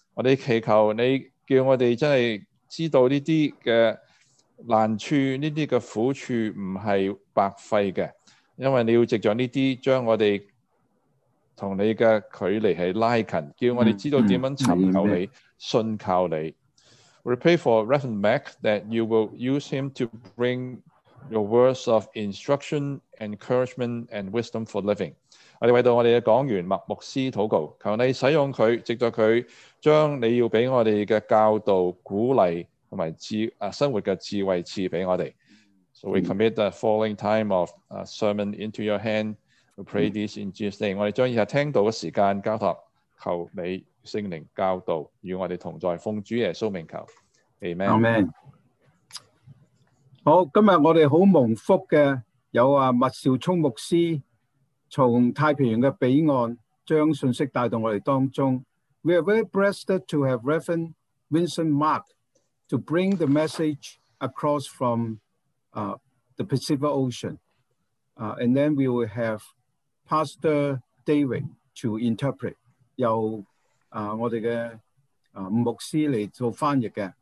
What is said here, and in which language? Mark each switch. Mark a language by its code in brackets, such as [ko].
[zh] 我们祈求你叫我们真的知道这些的难处，这些的苦处不是白费的，因为你要藉着这些将我们和你的距离是拉近，叫我们知道怎样寻求你，信靠你。 [en] We pray for Reverend Mac that you will use him to bring your words of instruction, encouragement, and wisdom for living. [zh] 我们为到我们的讲员麦牧师祷告，求你使用他，藉着他将你要给我们的教导、鼓励和生活的智慧赐给我们。 [en] So we commit the following time of sermon into your hand. We pray this in Jesus' name. [zh] 我们将以下听到的时间交托，求你圣灵教导与我们同在，奉主耶稣名求， Amen。 Amen。好，今天我们很蒙福的有麦兆聪牧师从太平洋的彼岸将信息带到我们当中。 [en] We are very blessed to have Reverend Vincent Mark to bring the message across from the Pacific Ocean and then we will have Pastor David to interpret [zh] 由我们的牧师来做翻译的。